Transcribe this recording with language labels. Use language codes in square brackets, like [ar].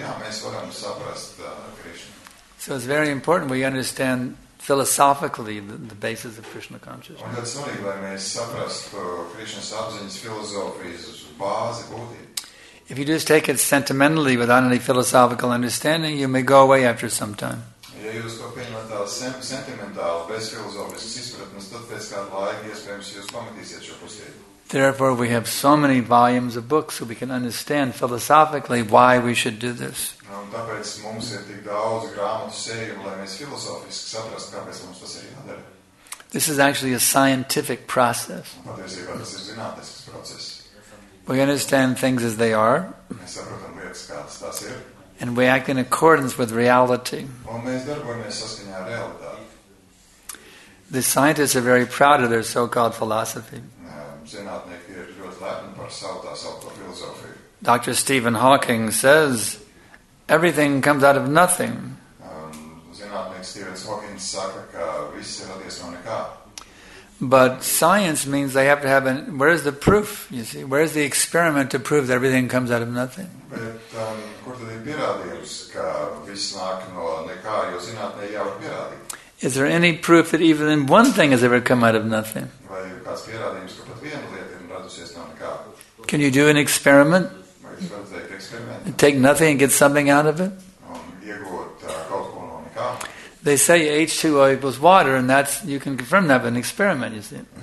[en] So it's very important we understand philosophically the basis of Krishna consciousness. If you just take it sentimentally without any philosophical understanding, you may go away after some time. [lv] sentimentāli, bez filozofiskas izpratnes, tad pēc kādu laiku, iespējams, jūs pamatīsiet šo pusgadu. [en] Therefore, we have so many volumes of books so we can understand philosophically why we should do this. [lv] Tāpēc mums ir tik daudz grāmatu sērijumu, lai mēs filozofiski saprastu, kāpēc mums tas ir jādara. [en] This is actually a scientific process. [lv] Patiesībā tas ir zinātnisks process. [en] We understand things as they are. [lv] Mēs saprotam lietas, kādas tās ir. [en] And we act in accordance with reality. [lv] Un mēs darbojamies saskaņā ar realitāti. [en] The scientists are very proud of their so-called philosophy. [lv] Zinātnieki ir ļoti lepni par savu tā saukto filozofiju. [en] Dr. Stephen Hawking says, everything comes out of nothing. [lv] Zinātnieks Stephens Hawkins saka, ka viss ir radies no nekā. [en] But science means they have to have where is the proof, you see? Where is the experiment to prove that everything comes out of nothing? [lv] Bet, kur tad ir pierādījums, ka viss nāk no nekā, jo zinātnē jau ir pierādījums? [en] Is there any proof that even one thing has ever come out of nothing? [lv] Vai ir kāds pierādījums, ka pat viena lieta ir radusies no nekā? [en] Can you do an experiment? [lv] Vai jūs varat veikt eksperimentu? [en] Take nothing and get something out of it? [lv] Un iegūt kaut ko no nekā? [en] They say H2O equals water, and that's, you can confirm that with an experiment, you see.